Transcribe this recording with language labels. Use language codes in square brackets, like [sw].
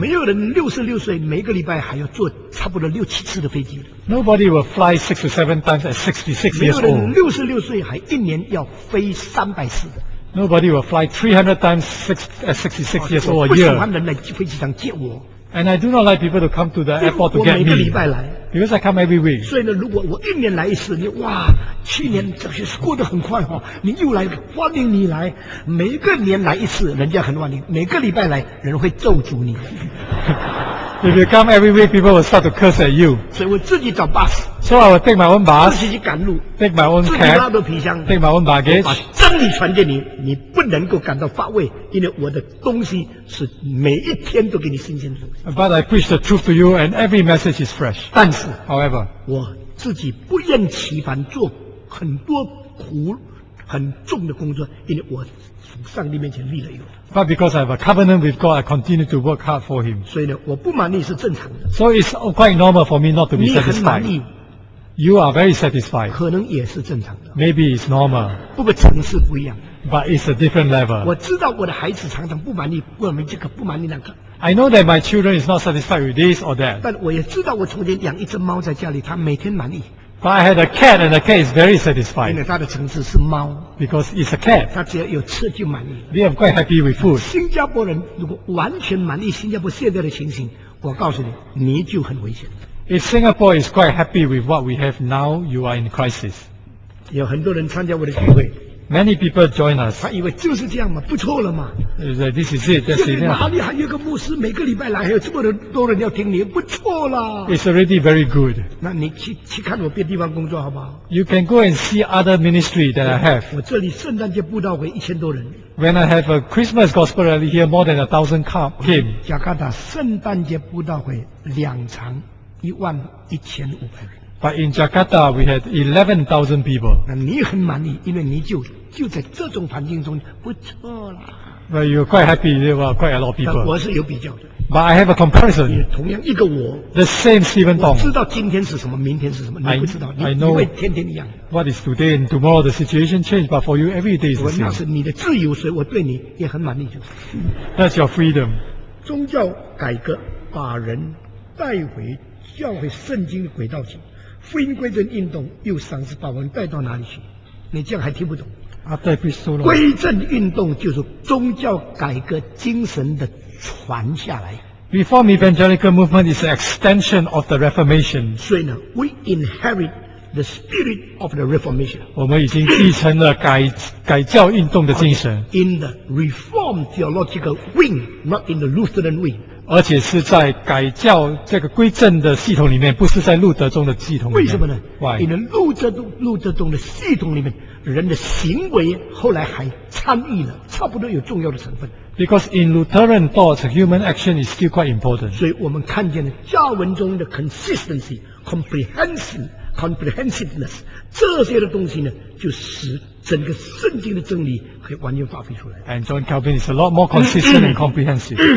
[zh] 没有人66岁每个礼拜还要坐差不多六七次的飞机。 [en] Nobody will fly 6 or 7 times at 66 years old. [zh] 没有人66岁还一年要飞300次的。 [en] Nobody will fly 300 times at 66 years old a year. [zh] 我不喜欢人来飞机场接我。 [en] And I do not like people to come to the airport to get me. [zh] 我每个礼拜来。 [en] Because I come every week. [zh] 所以呢，如果我一年来一次，你哇，去年这些过得很快哈、哦，你又来，欢迎你来，每个年来一次，人家很欢迎，每个礼拜来，人会咒诅你。 [en] If you come every week, people will start to curse at you. [zh] 所以我自己找 bus. [en] So I will take my own bus. [zh] 自己赶路。 [en] Take my own cab. [zh] 自己拉着皮箱。 [en] Take my own baggage. [zh] 把真理传给你，你不能够感到乏味，因为我的东西是每一天都给你新鲜的东西。 [en] But I preach the truth to you, and every message is fresh. [zh] 但是 [en] ，However， [zh] 我自己不厌其烦做很多苦、很重的工作，因为我从上帝面前立了约。 [en] But because I have a covenant with God, I continue to work hard for Him. [zh] 所以呢，我不满意是正常的。 [en] So it's quite normal for me not to be satisfied. [zh] 你很满意。 [en] You are very satisfied. [zh] 可能也是正常的。 [en] Maybe it's normal. [zh] 不过层次不一样。 [en] But it's a different level. [zh] 我知道我的孩子常常不满意，不满意这个，不满意那个。 [en] I know that my children is not satisfied with this or that. [zh] 但我也知道我从前养一只猫在家里，它每天满意。 [en] But I had a cat, and the cat is very satisfied. [zh] 因为它的层次是猫。 [en] Because it's a cat. [zh] 它只要有吃就满意。 [en] They are quite happy with food. [zh] 新加坡人如果完全满意新加坡现在的情形，我告诉你，你就很危险。 [en] If Singapore is quite happy with what we have now, you are in crisis. [zh] 有很多人参加我的聚会。 [en] Many people join us. [zh] 他以为就是这样嘛，不错了嘛。 [en] This is it. That's it. [zh] 哪里还有个牧师每个礼拜来，还有这么多人要听你，不错啦。 [en] It's already very good. [zh] 那你去看我别地方工作好不好 [en] ？You can go and see other ministry that I have. [zh] 我这里圣诞节布道会1000多人。 [en] When I have a Christmas gospel rally here, more than 1,000 came. [zh] 雅加达圣诞节布道会2场，11,500人。 [en] But in Jakarta, we had 11,000 people. [zh] 那你很满意，因为你就在这种环境中不错啦。 [en] But you are quite happy. There were quite a lot of people. [zh] 我是有比较的。 [en] But I have a comparison. [zh] 也同样一个我。 [en] The same Stephen Tong. [zh] 我知道今天是什么，明天是什么，你不知道。 [en] I know. [zh] 因为天天一样。 [en] What is today and tomorrow? The situation changes, but for you, every day is the same. [zh] 我那是你的自由，所以我对你也很满意，就是。 [en] That's your freedom. [zh] 宗教改革把人带回教会圣经的轨道上。福音归正运动又尝试把我们带到哪里去？你这样还听不懂？啊，对，被说了。归正运动就是宗教改革精神的传下来。 [en] Reform Evangelical Movement is an extension of the Reformation. [zh] 所以呢 [en] ，we inherit the spirit of the Reformation. [zh] 我们已经继承了改教运动的精神。 [en] Okay, in the Reformed theological wing, not in the Lutheran wing. [zh] 而且是在改教这个归正的系统里面，不是在路德宗的系统里面。为什么呢？ [en] Why? [zh] 因为路德宗的系统里面，人的行为后来还参与了，差不多有重要的成分。 [en] Because in Lutheran thought, human action is still quite important. [zh] 所以我们看见了教文中的 consistency, comprehensiveness, 这些的东西呢，就使整个圣经的真理可以完全发挥出来。 [en] And John Calvin is a lot more consistent and comprehensive.